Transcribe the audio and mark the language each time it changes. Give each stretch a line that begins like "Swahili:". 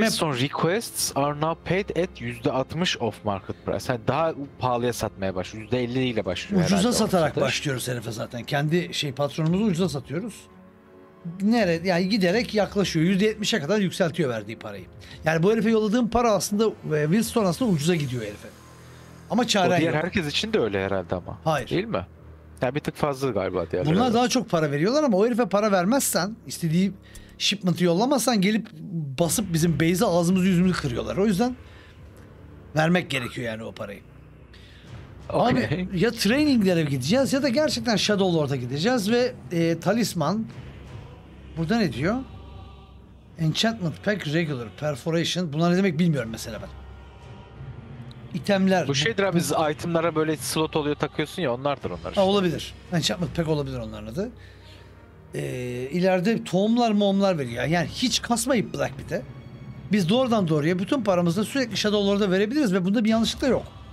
English: All Wilson requests are now paid at %60 off market price.
Turkish: Yani daha pahalıya satmaya başlıyor. %50 ile başlıyor. Ucuza satarak başlıyoruz herife zaten. Kendi patronumuzu ucuza satıyoruz. Nerede? Yani giderek yaklaşıyor. %70'e kadar yükseltiyor verdiği parayı. Yani bu herife yolladığım para aslında Winston aslında ucuza gidiyor herife. Ama çare o diğer yok. Herkes için de öyle herhalde ama. Hayır. Değil mi? Yani bir tık fazla galiba diğer. Bunlar daha çok para veriyorlar ama o herife para vermezsen, istediği shipment'ı yollamazsan gelip basıp bizim base'e ağzımızı yüzümüzü kırıyorlar. O yüzden vermek gerekiyor yani o parayı.
English: Okay.
Turkish: Abi ya traininglere gideceğiz ya da gerçekten Shadow Lord'a gideceğiz ve talisman. Burada ne diyor?
English: Enchantment pack regular perforation.
Turkish: Bunlar ne demek bilmiyorum mesela ben. İtemler. Bu şeydir abi, itemlara böyle slot oluyor takıyorsun ya, onlardır onlar. Işte. Olabilir. Enchantment pack olabilir onların adı. İleride tohumlar momlar veriyor. Yani hiç kasmayıp Black Pit'e. Biz doğrudan doğruya bütün paramızı sürekli Shadow Lord'a verebiliriz ve bunda bir yanlışlık da yok.